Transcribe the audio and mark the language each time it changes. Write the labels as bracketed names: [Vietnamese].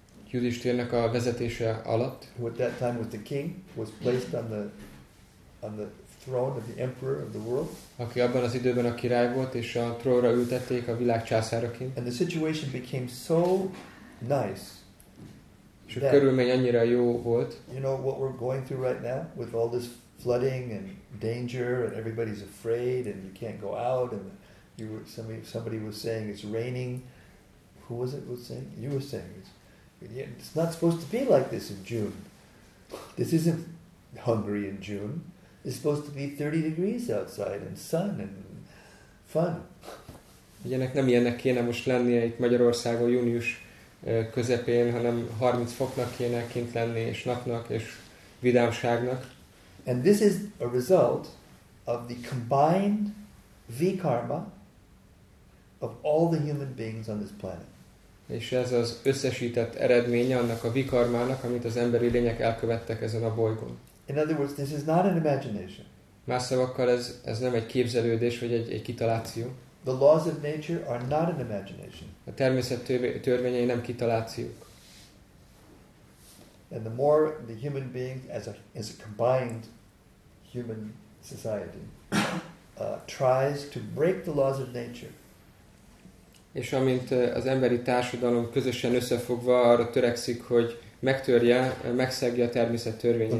[Hungarian] Yudhishthirnek a vezetése alatt. [English] Who at that time was the king, was placed on the throne of the emperor of the world. [Hungarian] Aki abban az időben a király volt, és a trónra ültették a világ császáraként. [English] And the situation became so nice. [Hungarian] És a körülmény annyira jó volt. [English] You know what we're going through right now with all this flooding and danger and everybody's afraid and you can't go out and somebody was saying it's raining. Who was it was saying? You were saying it's not supposed to be like this in June. This isn't Hungary in June. It's supposed to be 30 degrees outside and sun and fun. [Hungarian] Ugyanek nem ilyennek kéne most lennie itt Magyarországon június közepén, hanem 30 foknak kéne kint lenni és napnak és vidámságnak. [English] And this is a result of the combined V-karma of all the human beings on this planet. [Hungarian] És ez az összesített eredménye annak a V-karmának, amit az emberi lények elkövettek ezen a bolygón. [English] In other words, this is not an imagination. [Hungarian] Más szavakkal ez nem egy képzelődés, vagy egy kitaláció. [English] The laws of nature are not an imagination. [Hungarian] A természet törvényei nem kitalációk. [English] And the more the human being as a combined human society tries to break the laws of nature, [Hungarian] És amint az emberi társadalom közösen összefogva arra törekszik, hogy megtörje, megszegje a természet törvényeit.